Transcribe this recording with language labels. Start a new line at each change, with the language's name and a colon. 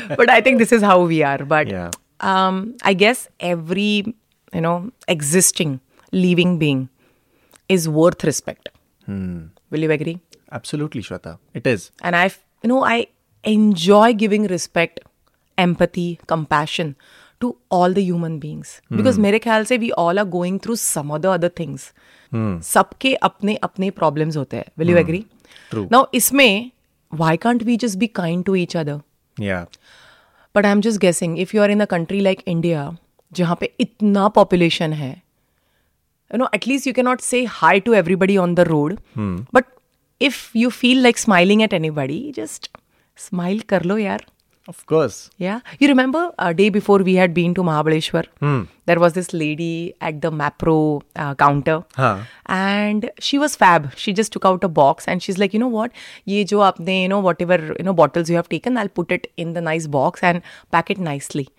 English: But I think this is how we are. But I guess every, you know, existing living being is worth respect. Will you agree? Absolutely, Shweta. It is. And I, you know, I enjoy giving respect, empathy, compassion to all the human beings, because
Hindi: मेरे ख्याल से
English: We all are going through some other things.
Hindi: सबके अपने अपने problems होते हैं.
English: Will you agree? Now
Hindi: इसमें
English: Why can't we just be kind to each other? या but I am just guessing, if you are in a country like India
Hindi: जहां पे इतना पॉपुलेशन है,
English: you know at least you can not say hi to everybody on the road, but if you feel like smiling at anybody, just smile
Hindi: कर लो यार.
English: Of course. Yeah. You remember a day before we had been to Mahabaleshwar, there was this lady at the Mapro counter. And she was fab. She just took out a box and she's like, you know what?
Hindi: Ye jo aapne,
English: you know, whatever, you know, bottles you have taken, I'll put it in the nice box and pack it nicely.